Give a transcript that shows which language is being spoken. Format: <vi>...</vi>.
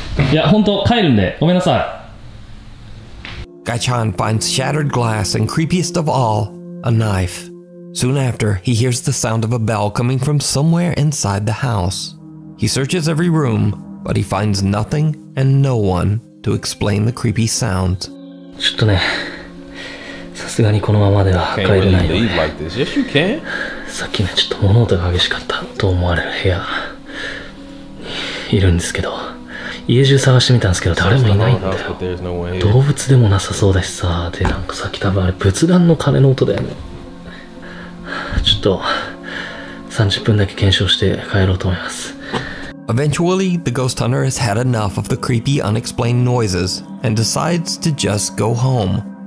<ja>いや、本当帰るんで、ごめんなさい。</ja> <en>Gachan finds shattered glass and creepiest of all, a knife. Soon after, he hears the sound of a bell coming from somewhere inside the house. He searches every room, but he finds nothing and no one to explain the creepy sound.</en> <ja>ちょっとね、さすすがにこのままでは帰れないよ、ね。</ja> <en>Can't leave like this. Yes, you can.</en> <ja>さっきね、ちょっと物音が激しかったと思われる部屋いるんですけど、家中探してみたんですけど誰もいないんだよ。動物でもなさそうだしさ、でなんかさっき多分あれ仏壇の鐘の音だよね。ちょっと30分だけ検証して帰ろうと思います。</ja> <en>Eventually, the ghost hunter has had enough of the creepy, unexplained noises and decides to just go home.</en>